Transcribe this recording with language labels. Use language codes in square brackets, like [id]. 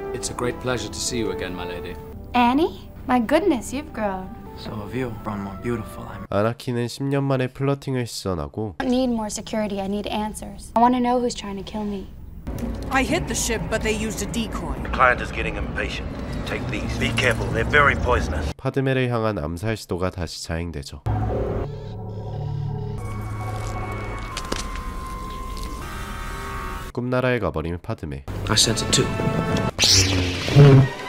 [en] It's a great pleasure to see you again, my lady. Annie? My goodness, you've grown. So have you grown more beautiful. [ko] 아나킨은 10년 만에 플러팅을 시전하고 [en] I need more security. I need answers. I want to know who's trying to kill me. I hit the ship, but they used a decoy. The client is getting impatient. Take these. Be careful. They're very poisonous. [ko] 파드메를 향한 암살 시도가 다시 자행되죠. (목소리) 꿈나라에 가버린 파드메. [en] I sense it too.